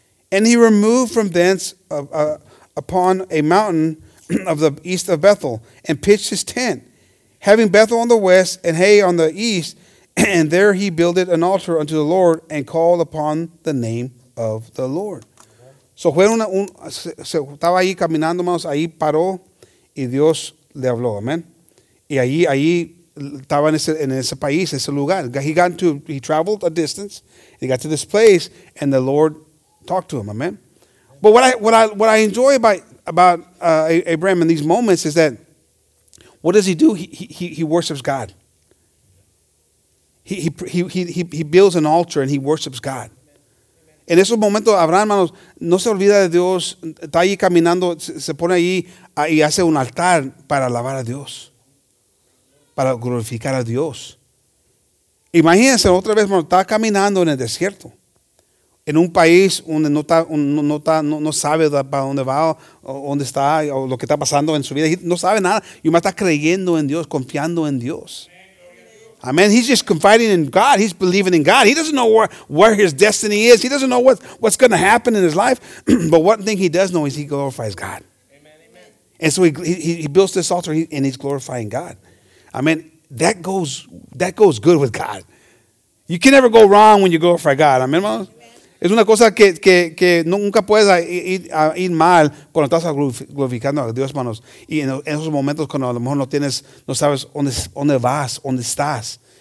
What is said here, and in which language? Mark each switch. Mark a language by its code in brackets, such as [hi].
[en] And he removed from thence upon a mountain of the east of Bethel and pitched his tent, having Bethel on the west and Hay on the east. And there he builded an altar unto the Lord and called upon the name of the Lord. [es] So fue estaba ahí caminando, hermanos, ahí paró y Dios le habló, amen. Y ahí estaba en ese país, ese lugar. [en] He traveled a distance. He got to this place and the Lord talked to him, amen. But what I enjoy about Abraham in these moments is that what does he do? He worships God. He builds an altar and he worships God. [es] En esos momentos, Abraham, hermanos, no se olvida de Dios. Está ahí caminando, se pone ahí y hace un altar para alabar a Dios, para glorificar a Dios. Imagínense otra vez, hermano, está caminando en el desierto, en un país donde no sabe para dónde va, o dónde está, o lo que está pasando en su vida. No sabe nada. Y más está creyendo en Dios, confiando en Dios. [en] Amen. He's just confiding in God. He's believing in God. He doesn't know where his destiny is. He doesn't know what's going to happen in his life. But one thing he does know is he glorifies God. Amen. And so he builds this altar and he's glorifying God. Amen. That goes good with God. You can never go wrong when you glorify God. Amen. Amen. [es] Es una cosa que nunca puedes ir mal cuando estás glorificando a Dios, hermanos. Y en esos momentos cuando a lo mejor no sabes dónde vas, dónde estás.